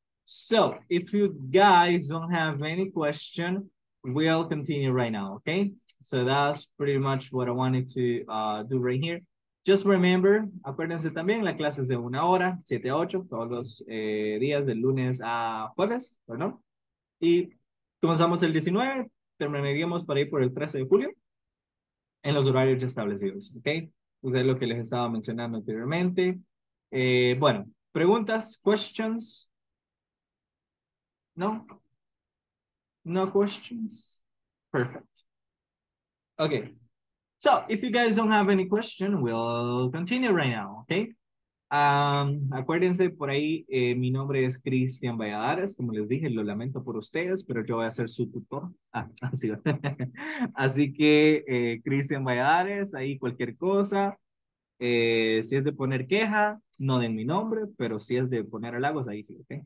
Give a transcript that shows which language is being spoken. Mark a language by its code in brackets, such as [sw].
[en] So, if you guys don't have any question, we'll continue right now, okay? So that's pretty much what I wanted to do right here. Just remember, [es] acuérdense también, la clase es de una hora, 7 a 8, todos los días, de lunes a jueves, perdón. Y comenzamos el 19, terminaríamos para ir por el 13 de julio, en los horarios ya establecidos, okay? Pues es lo que les estaba mencionando anteriormente. Bueno, preguntas, questions. No? [en] No questions? Perfect. Okay. So, if you guys don't have any question, we'll continue right now, okay? [es] Acuérdense, por ahí, mi nombre es Cristian Valladares. Como les dije, lo lamento por ustedes, pero yo voy a ser su tutor. Ah, así va. Así que, Cristian Valladares, ahí cualquier cosa. Si es de poner queja, no den mi nombre, pero si es de poner halagos, ahí sí, okay?